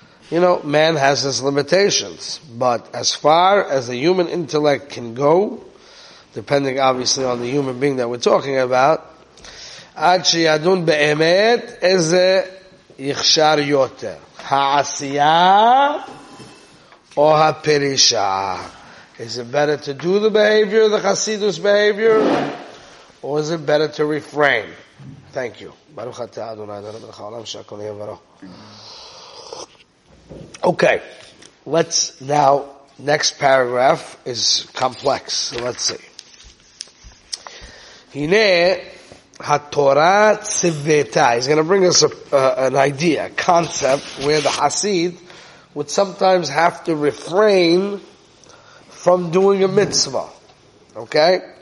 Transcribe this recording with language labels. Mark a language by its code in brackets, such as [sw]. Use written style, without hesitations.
[en] You know, man has his limitations, but as far as the human intellect can go, depending obviously on the human being that we're talking about, [he] עד שידון באמת איזה יכשר יותר, העשייה או הפרישה. [en] Is it better to do the behavior, the Hasidus behavior, or is it better to refrain? Thank you. [he] ברוך אתה אדוני אלוהינו מלך העולם שהכל נהיה בדברו. [en] Okay, let's now, next paragraph is complex, so let's see. Hine HaTorah Tzveta. He's going to bring us an idea, a concept, where the Hasid would sometimes have to refrain from doing a mitzvah. Okay?